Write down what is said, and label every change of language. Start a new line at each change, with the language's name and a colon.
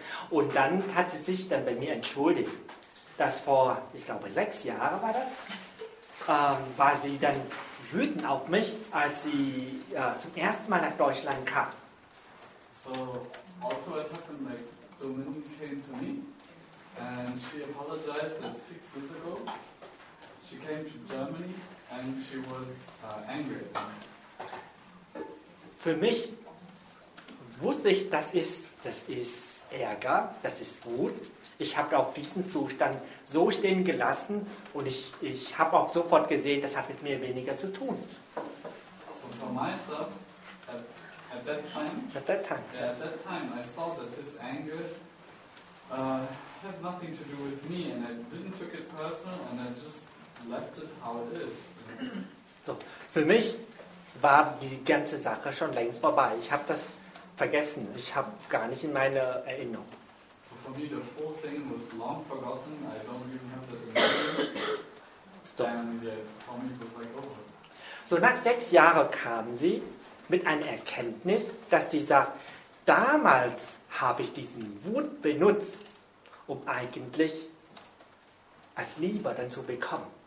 German: Und dann hat sie sich dann bei mir entschuldigt, dass vor, ich glaube, 6 Jahren war das, war sie dann wütend auf mich, als sie zum ersten Mal nach Deutschland kam.
English: So, also what happened, like, Dominique came to me, and she apologized that 6 years ago, she came to Germany, and she was angry.
German: Für mich wusste ich, das ist Ärger, das ist Wut. Ich habe auch diesen Zustand so stehen gelassen und ich habe auch sofort gesehen, das hat mit mir weniger zu tun.
English: So for myself, at that time, I saw that this anger has nothing to do with me, and I didn't took it personal, and I just left it how it is.
German: So, für mich war die ganze Sache schon längst vorbei. Ich habe das vergessen. Ich habe gar nicht in meine Erinnerung.
English: So for me, the whole thing was long forgotten. I don't even have that in
German: So nach 6 Jahren kamen sie mit einer Erkenntnis, dass sie sagt, damals habe ich diesen Wut benutzt, um eigentlich als Liebe dann zu bekommen.